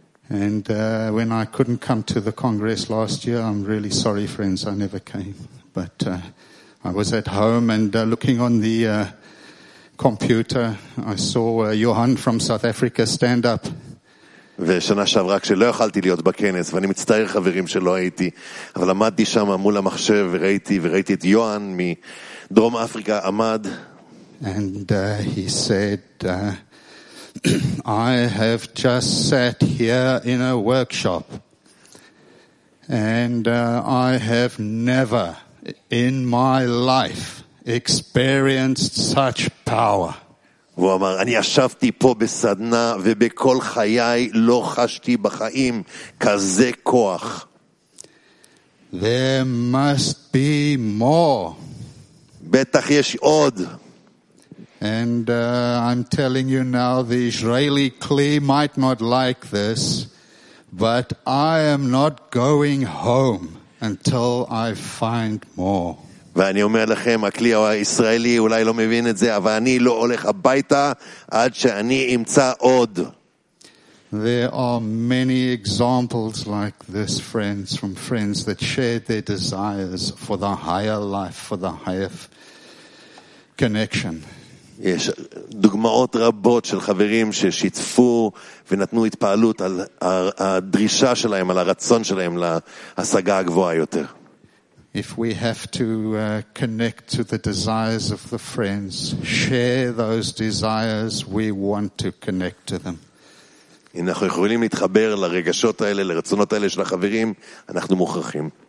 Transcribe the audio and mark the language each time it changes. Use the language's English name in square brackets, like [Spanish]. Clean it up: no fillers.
[English] And when I couldn't come to the congress last year, I'm really sorry, friends, I never came. But I was at home and looking on the computer, I saw Johan from South Africa stand up. [Hebrew] ושנה שעברה כשלא יכלתי להיות בכנס, ואני מצטער חברים שלא הייתי, אבל עמדתי שם מול המחשב וראיתי את יוהן מדרום אפריקה עמד. [English] And he said, I have just sat here in a workshop and I have never in my life experienced such power. [Hebrew] והוא אמר, אני ישבתי פה בסדנה ובכל חיי לא חשתי בחיים כזה כוח. [English] There must be more. [Hebrew] בטח יש עוד. [English] And I'm telling you now, the Israeli Kli might not like this, but I am not going home until I find more. [Hebrew] ואני אומר לכם, הכלי הישראלי אולי לא מבין את זה, אבל אני לא הולך הביתה עד שאני אמצא עוד. [English] There are many examples like this, friends, from friends that shared their desires for the higher life, for the higher connection. [Hebrew] יש דוגמאות רבות של חברים ששיתפו ונתנו התפעלות על הדרישה שלהם, על הרצון שלהם להשגה הגבוהה יותר. [English] If we have to connect to the desires of the friends, share those desires, we want to connect to them. [Hebrew] אנחנו יכולים להתחבר לרגשות האלה, לרצונות האלה של החברים, אנחנו מוכרחים.